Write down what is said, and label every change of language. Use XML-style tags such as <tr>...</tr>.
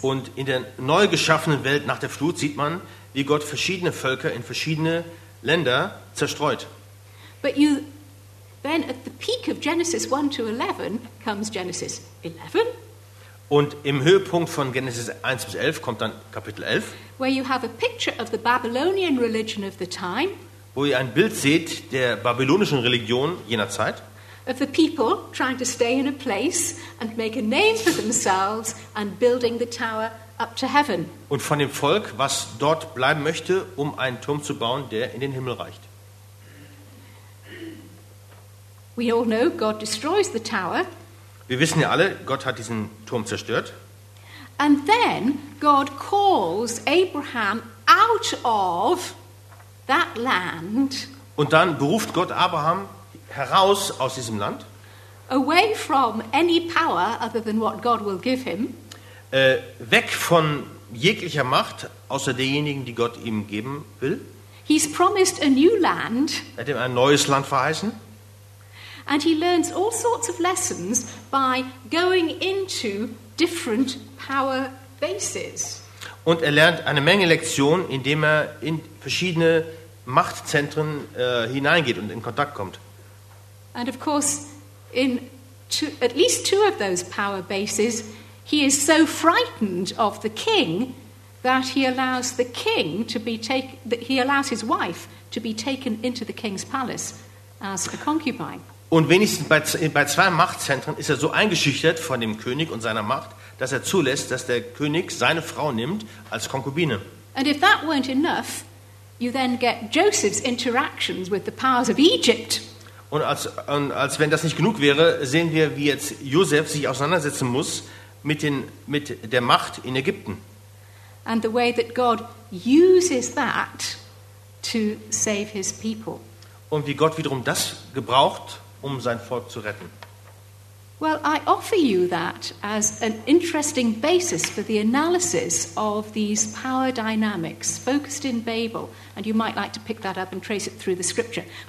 <de>Und in der neu geschaffenen Welt nach der Flut sieht man, wie Gott verschiedene Völker in verschiedene Länder zerstreut.</de> <en>But you then at the peak of Genesis 1-11 comes Genesis 11.</en> <de>Und im Höhepunkt von Genesis 1-11 kommt dann Kapitel 11.</de> <en>Where you have a picture of the Babylonian religion of the time.</en> <de>Wo ihr ein Bild seht der babylonischen Religion jener Zeit.</de> <en>Of the people trying to stay in a place and make a name for themselves and building the tower up to heaven.</en> <de>Und von dem Volk, was dort bleiben möchte, um einen Turm zu bauen, der in den Himmel reicht.</de> <en>We all know God destroys the tower.</en> <de>Wir wissen ja alle, Gott hat diesen Turm zerstört.</de> <en>And then God calls Abraham out of that land.</en> <de>Und dann beruft Gott Abraham heraus aus diesem Land.</de> <en>Away from any power other than what God will give him.</en> <de>Weg von jeglicher Macht außer derjenigen, die Gott ihm geben will.</de> <en>He's promised a new land.</en> <de>Er hat ihm ein neues Land verheißen.</de> <en>And he learns all sorts of lessons by going into different power bases.</en> <de>Und er lernt eine Menge Lektionen, indem er in verschiedene Machtzentren hineingeht und in Kontakt kommt.</de> <en>And of course, in at least two of those power bases, he is so frightened of the king that he allows the king to be he allows his wife to be taken into the king's palace as a concubine.</en> <de>Und wenigstens bei zwei Machtzentren ist er so eingeschüchtert von dem König und seiner Macht, dass er zulässt, dass der König seine Frau nimmt als Konkubine.</de> <en>And if that weren't enough, you then get Joseph's interactions with the powers of Egypt.</en> <de>Und als wenn das nicht genug wäre, sehen wir, wie jetzt Josef sich auseinandersetzen muss mit der Macht in Ägypten.</de> <en>And the way that God uses that to save his people.</en> <de>Und wie Gott wiederum das gebraucht, um sein Volk zu retten.</de> <en>Well, I offer you that as an interesting basis for the analysis of these power dynamics focused in Babel, and you might like to pick that up and trace it through the scripture.</en>